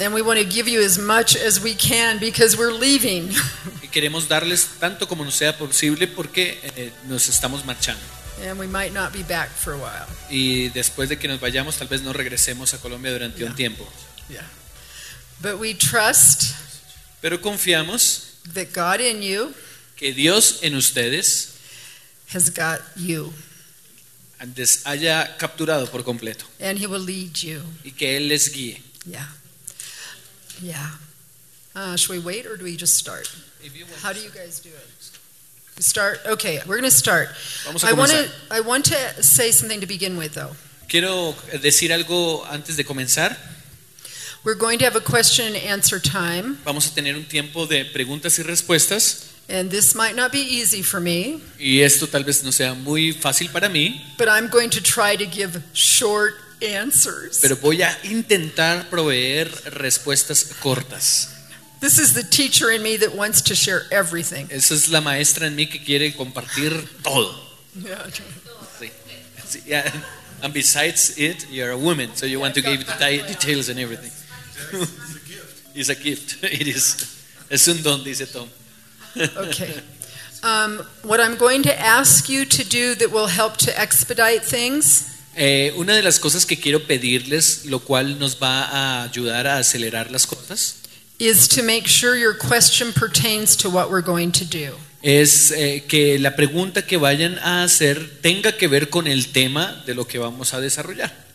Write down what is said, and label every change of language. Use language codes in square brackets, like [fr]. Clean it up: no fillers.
[en] And we want to give you as much as we can because we're leaving. [es] Y queremos darles tanto como nos sea posible porque nos estamos marchando. [en] And we might not be back for a while. [es] Y después de que nos vayamos, tal vez no regresemos a Colombia durante un tiempo. [en] Yeah. But we trust. [es] Pero confiamos. [en] That God in you. [es] Que Dios en ustedes. [en] Has got you. [es] Antes haya capturado por completo. [en] And he will lead you. [es] Y que él les guíe. [en] Yeah. Yeah. Should we wait or do we just start? How do you guys do it? Start. Okay, we're going to start. [es] Vamos a comenzar. [en] I want to say something to begin with, though. [es] Quiero decir algo antes de comenzar. [en] We're going to have a question and answer time. [es] Vamos a tener un tiempo de preguntas y respuestas. [en] And this might not be easy for me. [es] Y esto tal vez no sea muy fácil para mí. [en] But I'm going to try to give short answers. [es] Pero voy a intentar proveer respuestas cortas. [en] This is the teacher in me that wants to share everything. [es] Esa es la maestra en mí que quiere compartir todo. [en] Yeah. [es] Sí. [en] Yeah. And besides it, you're a woman, so you want to give details and everything. It's a gift. It is. [es] Es un don, dice Tom. [en] Okay. What I'm going to ask you to do that will help to expedite things. [es] Una de las cosas que quiero pedirles, lo cual nos va a ayudar a acelerar las cosas. [en] Is to make sure your question pertains to what we're going to do. [es] Es que la pregunta que vayan a hacer tenga que ver con el tema de lo que vamos a desarrollar.